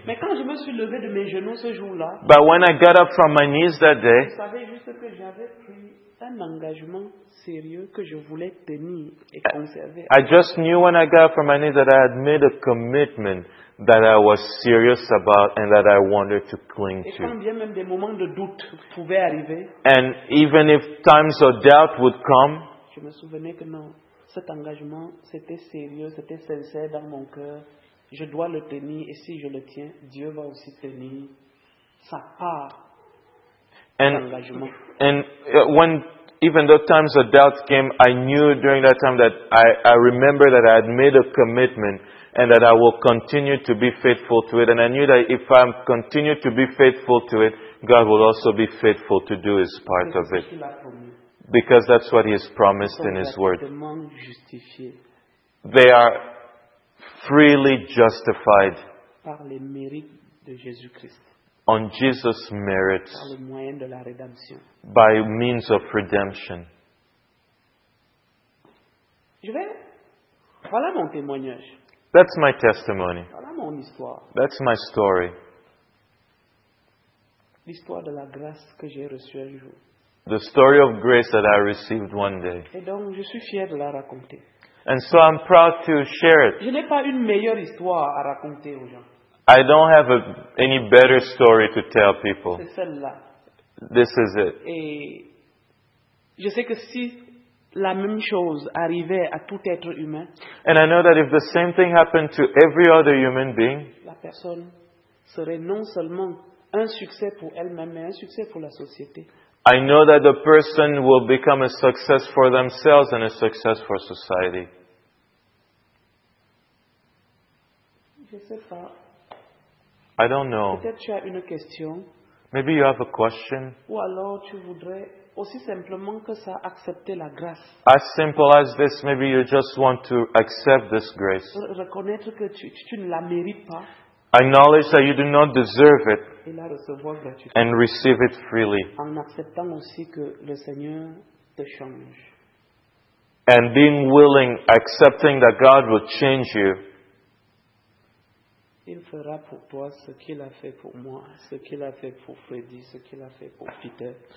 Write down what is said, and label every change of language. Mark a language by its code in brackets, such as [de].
[fr] Mais quand je me suis levé de mes genoux ce jour-là. [en] But when I got up from my knees that day. [fr] Je savais juste que j'avais pris un engagement sérieux que je voulais tenir et conserver. [en] I just knew when I got up from my knees that I had made a commitment that I was serious about and that I wanted to cling to. [fr] Et quand bien même des moments de doute pouvaient arriver. [en] And even if times of doubt would come. [fr] Je me souvenais que non. Cet engagement, c'était sérieux, c'était sincère dans mon cœur. Je dois le tenir, et si je le tiens, Dieu va aussi tenir sa part d'engagement. [en] And when, even though times of doubt came, I knew during that time that I remember that I had made a commitment and that I will continue to be faithful to it. And I knew that if I continue to be faithful to it, God will also be faithful to do His part of it. Because that's what He has promised in His Word. [fr] Justifié. [en] They are freely justified [fr] par les mérites de Jésus Christ. [en] On Jesus' merits [fr] par le moyen de la rédemption. [en] By means of redemption. [fr] Je vais... Voilà mon témoignage. [en] That's my testimony. [fr] Voilà mon histoire. [en] That's my story. [fr] L'histoire de la grâce que j'ai reçue un jour. [en] The story of grace that I received one day. [fr] Et donc, je suis fier de la raconter. [en] And so I'm proud to share it. [fr] Je n'ai pas une meilleure histoire à raconter aux gens. [en] I don't have any better story to tell people. [fr] C'est celle-là. [en] This is it. [fr] Et je sais que si la même chose arrivait à tout être humain. [en] And I know that if the same thing happened to every other human being. [fr] La personne serait non seulement un succès pour elle-même, mais un succès pour la société. [en] I know that the person will become a success for themselves and a success for society. [fr] Je sais pas. [en] I don't know. [fr] Peut-être tu as une question. [en] Maybe you have a question. [fr] Ou alors tu voudrais aussi simplement que ça accepter la grâce. [en] As simple as this, maybe you just want to accept this grace. [fr] Reconnaître que tu ne la mérites pas. [en] Acknowledge that you do not deserve it. And receive it freely. [fr] En acceptant aussi que le Seigneur te change. [en] And being willing, accepting that God will change you. [fr] Il fera pour toi ce qu'il a fait pour moi, ce qu'il a fait pour Freddy, ce qu'il a fait pour Peter.